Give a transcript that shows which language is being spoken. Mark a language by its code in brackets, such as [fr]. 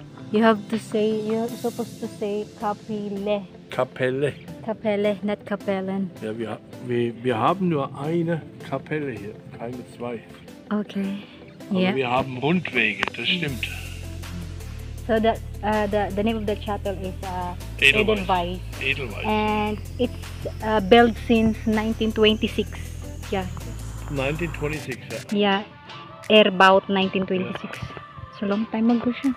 [en] You have to say, you're supposed to say Capelle. Capelle. Capelle, not Capelin. [de] Ja, wir haben nur eine Kapelle hier, keine zwei. Okay. Aber yeah. Wir haben Rundwege, das stimmt. [en] So the name of the chapel is Edelweiss. And it's built since 1926. Yeah. 1926. Yeah. About 1926. Yeah. So long time ago,